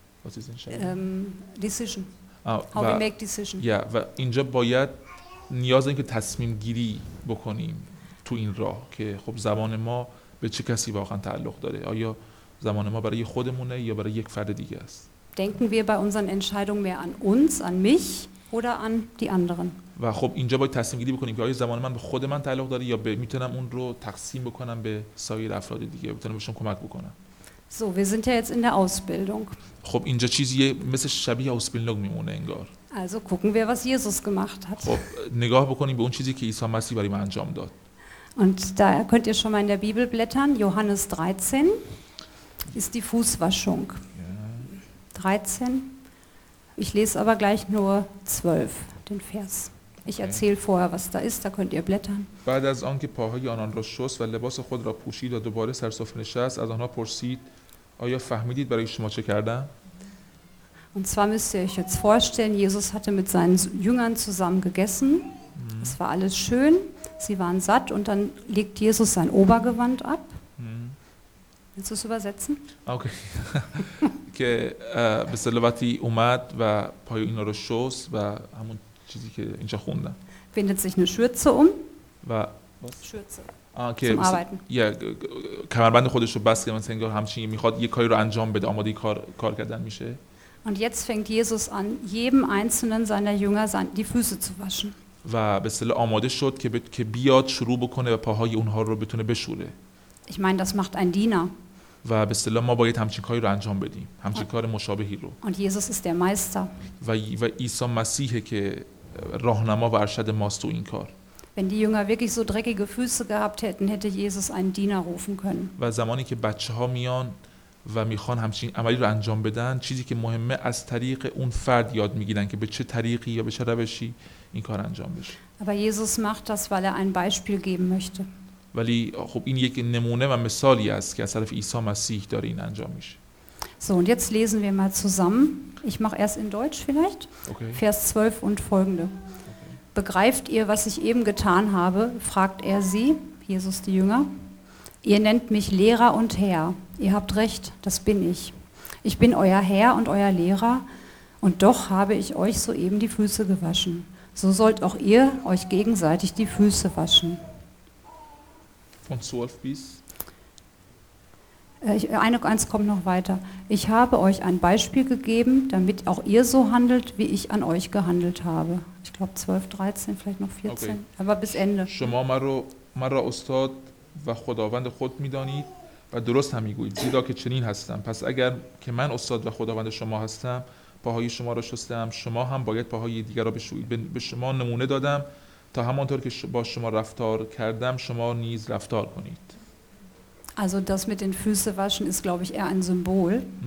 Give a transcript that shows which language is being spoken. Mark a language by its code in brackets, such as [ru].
[de] Was ist Entscheidung? [en] Decision. How we make decision. Yeah. [fa] و اینجا باید نیاز این که تصمیم گیری بکنیم تو این راه که خب زمان ما به چه کسی واقعا تعلق داره؟ آیا زمان ما برای خودمونه یا برای یک فرد دیگه است؟ [de] Denken wir bei unseren Entscheidungen mehr an uns, an mich oder an die anderen. [fa] و خب اینجا باید تصمیم گیری بکنیم که آیا زمان من به خود من تعلق داره یا به میتونم اون رو تقسیم بکنم به سایر افراد دیگه، بتونم بهشون کمک بکنم. [de] So, wir sind ja jetzt in der Ausbildung. [fa] خب اینجا چیزی مثل شبیه Ausbildung میمونه انگار. [de] Also gucken wir, was Jesus gemacht hat. [fa] خب نگاه بکنیم به اون چیزی که عیسی مسیح برای ما انجام داد. [de] Und da könnt ihr schon mal in der Bibel blättern. Johannes 13 ist die Fußwaschung. 13. Ich lese aber gleich nur 12, den Vers. Ich erzähle vorher, was da ist, da könnt ihr blättern. [fa] بعد از آنکه پاهای آنان را شست و لباس خود را پوشید و دوباره سر سفره نشست، از آنها پرسید: آیا فهمیدید برای شما چه کردم؟ [de] Und zwar müsst ihr euch jetzt vorstellen, Jesus hatte mit seinen Jüngern zusammen gegessen. Es war alles schön, sie waren satt und dann legt Jesus sein Obergewand ab. Willst du es übersetzen? Okay. [fa] که به صلواتی اومد و پای اینا رو شست و همون چیزی که اینجا خوندم. [de] Windet sich eine Schürze um. و Schürze. Okay. Zum Arbeiten. [fa] Ja, کمربند خودش رو بست که مثلا انگار همچین میخواد یه کاری رو انجام بده، آماده کار کردن میشه. [de] Und jetzt fängt Jesus an, jedem einzelnen seiner Jünger die Füße zu waschen. [fa] و به صلوات آماده شد که بیاد شروع بکنه و پاهای اونها رو بتونه بشوره. [de] Ich meine, das macht ein Diener. [fa] و به اصطلاح ما باید همچین کاری رو انجام بدیم، همچین کار مشابهی رو. [de] Und Jesus ist der Meister. [fa] و عیسی مسیحه که راهنما و ارشد ماست تو این کار. [de] Wenn die Jünger wirklich so dreckige Füße gehabt hätten, hätte Jesus einen Diener rufen können. [fa] و زمانی که بچه‌ها میان و میخوان همچین عملی رو انجام بدن، چیزی که مهمه از طریق اون فرد یاد میگیرن که به چه طریقی یا به چه روشی این کار انجام بشه. [de] Aber Jesus macht das, weil er ein Beispiel geben möchte. [fa] ولی خب این یک نمونه و مثالی است که از طرف عیسی مسیح داره این انجام میشه. [de] So und jetzt lesen wir mal zusammen. Ich mache erst in Deutsch vielleicht. Okay. Vers 12 und folgende. Okay. Begreift ihr, was ich eben getan habe? Fragt er sie, Jesus die Jünger. Ihr nennt mich Lehrer und Herr. Ihr habt recht, das bin ich. Ich bin euer Herr und euer Lehrer und doch habe ich euch soeben die Füße gewaschen. So sollt auch ihr euch gegenseitig die Füße waschen. Von 12 bis? Eins kommt noch weiter. Ich habe euch ein Beispiel gegeben, damit auch ihr so handelt, wie ich an euch gehandelt habe. Ich glaube 12, 13, vielleicht noch 14. Okay. Aber bis Ende. [fa] شما مرا استاد و خداوند خود میدانید و درست هم میگویید، زیرا که چنین هستم. پس اگر که من استاد و خداوند شما هستم، پاهای شما را شستم، شما هم باید پاهای دیگر را بشویید. به شما نمونه دادم تا همانطور که با شما رفتار کردم شما نیز رفتار کنید. [de] Also das mit den Füße waschen ist glaube ich eher ein Symbol.